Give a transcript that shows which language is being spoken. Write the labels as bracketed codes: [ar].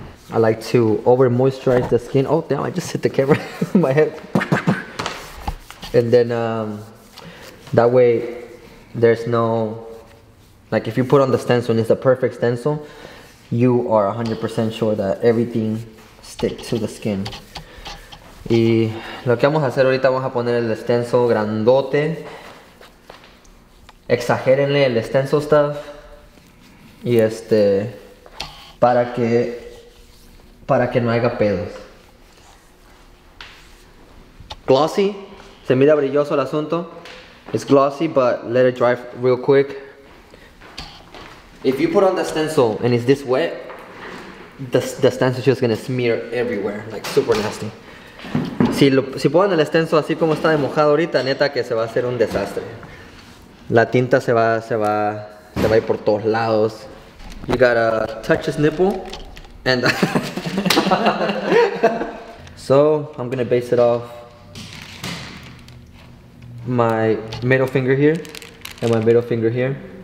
[en] I like to over moisturize the skin. Oh damn, I just hit the camera in my head. And then that way there's no, like if you put on the stencil and it's a perfect stencil, you are 100% sure that everything sticks to the skin. [es] Y lo que vamos a hacer ahorita, vamos a poner el stencil grandote. Exagérenle el stencil stuff y este para que no haya pedos. Glossy, se mira brilloso el asunto. [en] It's glossy, but let it dry real quick. If you put on the stencil and it's this wet, the stencil is just gonna smear everywhere, like super nasty. [es] Si ponen el stencil así como está de mojado ahorita, neta que se va a hacer un desastre. La tinta se va a ir por todos lados. [en] You gotta touch his nipple and so I'm gonna base it off my middle finger here and my middle finger here.